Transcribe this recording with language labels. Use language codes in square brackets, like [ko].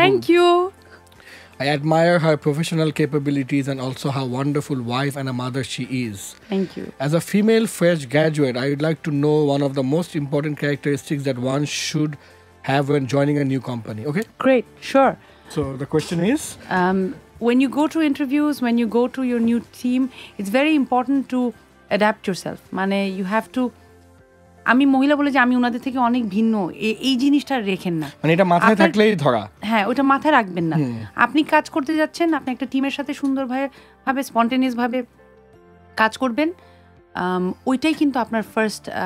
[en] Thank you, I admire her professional capabilities and also how wonderful wife and a mother she is, thank you. As a female fresh graduate I would like to know one of the most important characteristics that one should have when joining a new company. Okay great, sure. So the question is when you go to interviews, when you go to your new team, it's very important to adapt yourself. [bn] মানে [en] you have to, [bn] আমি মহিলা বলে যে আমি ওনাদের থেকে অনেক ভিন্ন, এই জিনিসটা রেখেন না, মানে এটা মাথায় থাকলেই ধরা, হ্যাঁ ওটা মাথায় রাখবেন না। আপনি কাজ করতে যাচ্ছেন, আপনি একটা টিমের সাথে সুন্দরভাবে স্পন্টেনিয়াস ভাবে কাজ করবেন, ওইটাই কিন্তু আপনার ফার্স্ট